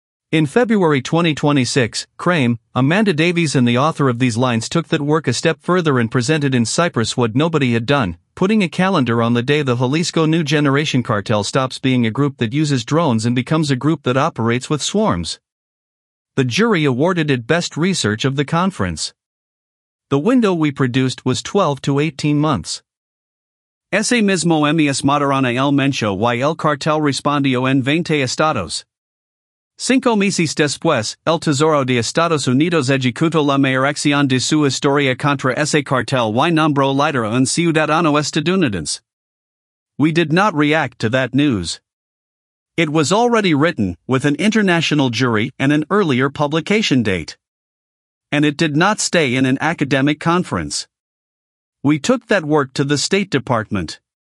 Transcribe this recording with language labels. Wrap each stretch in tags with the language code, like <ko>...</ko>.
<en>In February 2026, Crame, Amanda Davies and the author of these lines took that work a step further and presented in Cyprus what nobody had done, putting a calendar on the day the Jalisco New Generation Cartel stops being a group that uses drones and becomes a group that operates with swarms. The jury awarded it best research of the conference. The window we produced was 12 to 18 months.</en> <es>Ese mismo mes mataron a el mencho y el cartel respondió en 20 estados. 5 meses después, el Tesoro de Estados Unidos ejecutó la mayor acción de su historia contra ese cartel y nombró lidera un ciudadano estadounidense.</es> <en>We did not react to that news. It was already written, with an international jury and an earlier publication date. And it did not stay in an academic conference. We took that work to the State Department.</en>